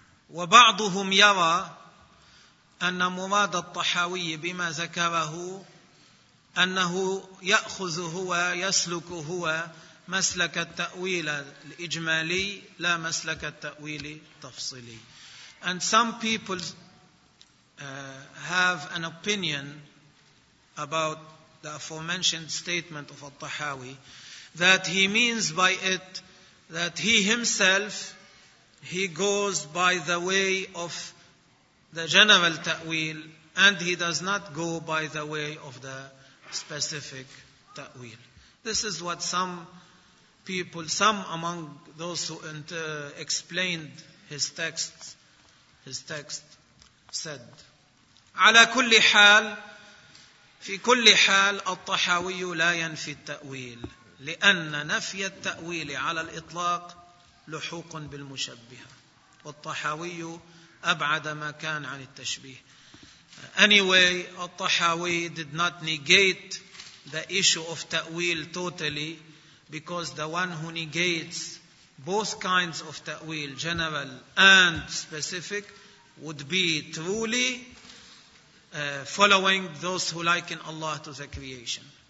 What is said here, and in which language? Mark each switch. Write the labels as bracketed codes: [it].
[ar] وبعضهم يرى أن مراد الطحاوي بما ذكره أنه يأخذ هو يسلك هو مسلك التأويل الإجمالي لا مسلك التأويل التفصيلي. [en] And some people have an opinion about the aforementioned statement of al-Tahawi that he means by it that he himself, he goes by the way of the general ta'wil and he does not go by the way of the specific ta'wil. This is what some people, some among those who explained his text said. [ar] على كل حال في كل حال الطحاوي لا ينفي التأويل لأن نفي التأويل على الإطلاق لحوق بالمشبهة والطحاوي أبعد ما كان عن التشبيه. [en] Anyway, الطحاوي did not negate the issue of تأويل totally because the one who negates both kinds of تأويل, general and specific, would be truly following those who liken Allah to the creation.